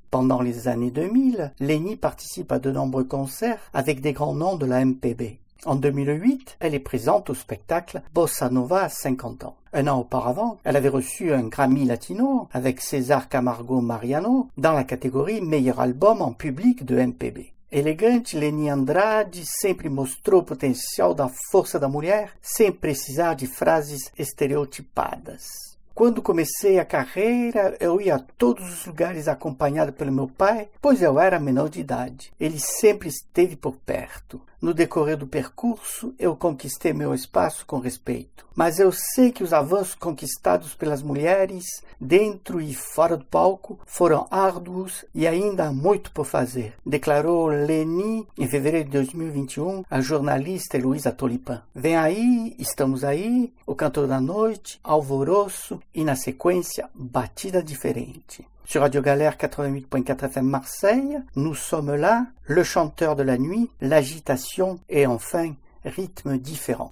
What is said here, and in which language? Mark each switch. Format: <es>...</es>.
<fr>Pendant les années 2000, Leni participe à de nombreux concerts avec des grands noms de la MPB. En 2008, elle est présente au spectacle Bossa Nova à 50 ans. Un an auparavant, elle avait reçu un Grammy Latino avec César Camargo Mariano dans la catégorie Meilleur album en public de MPB.</fr> <pt>Elegante Leni Andrade sempre mostrou o potencial da força da mulher sem precisar de frases estereotipadas. Quando comecei a carreira, eu ia a todos os lugares acompanhado pelo meu pai, pois eu era menor de idade. Ele sempre esteve por perto. No decorrer do percurso, eu conquistei meu espaço com respeito. Mas eu sei que os avanços conquistados pelas mulheres, dentro e fora do palco, foram árduos e ainda há muito por fazer, declarou Leni em fevereiro de 2021 à jornalista Luísa Tolipan. Vem aí, estamos aí, o cantor da noite, alvoroço, e na sequência, batida diferente.</pt> <fr>Sur Radio Galère 88.4 FM Marseille, nous sommes là, le chanteur de la nuit, l'agitation et enfin, rythme différent.</fr>